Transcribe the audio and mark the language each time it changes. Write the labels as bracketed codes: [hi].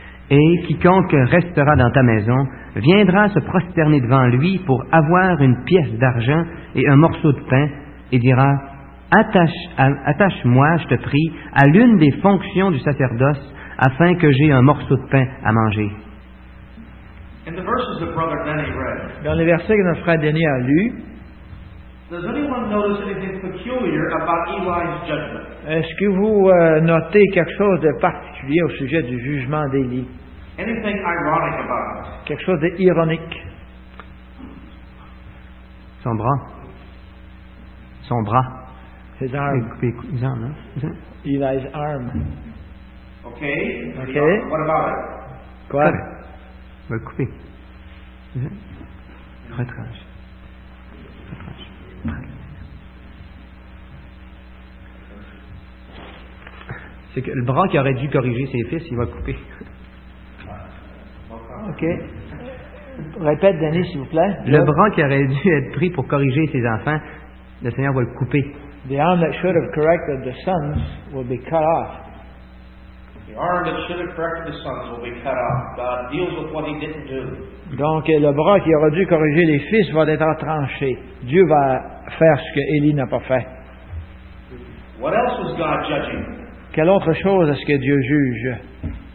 [fr] Et quiconque restera dans ta maison viendra se prosterner devant lui pour avoir une pièce d'argent et un morceau de pain, et dira, attache-moi, je te prie, à l'une des fonctions du sacerdoce, afin que j'aie un morceau de pain à manger. [en] In the verses that Brother Denny read, [fr] dans les versets que notre frère Denny a lus, [en] does anyone notice anything peculiar about Eli's judgment? [fr] Est-ce que vous notez quelque chose de particulier au sujet du jugement d'Élie? [en] Anything ironic about it? [fr] Quelque chose d'ironique? Son bras. Son bras. [en] His arm. His arm, hein? Eli's arm. Okay. Okay. What about it? [fr] Quoi? Il va le couper. Retranche. C'est que le bras qui aurait dû corriger ses fils, il va couper. OK. Répète, Denis, s'il vous plaît. Le bras qui aurait dû être pris pour corriger ses enfants, le Seigneur va le couper. [en] The arm that should have corrected the sons will be cut off. The arm that should have corrected the sons will be cut off. God deals with what he didn't do. [fr] Donc, le bras qui aurait dû corriger les fils va être tranché. Dieu va faire ce que Élie n'a pas fait. [en] What else was God judging? [fr] Quelle autre chose est-ce que Dieu juge?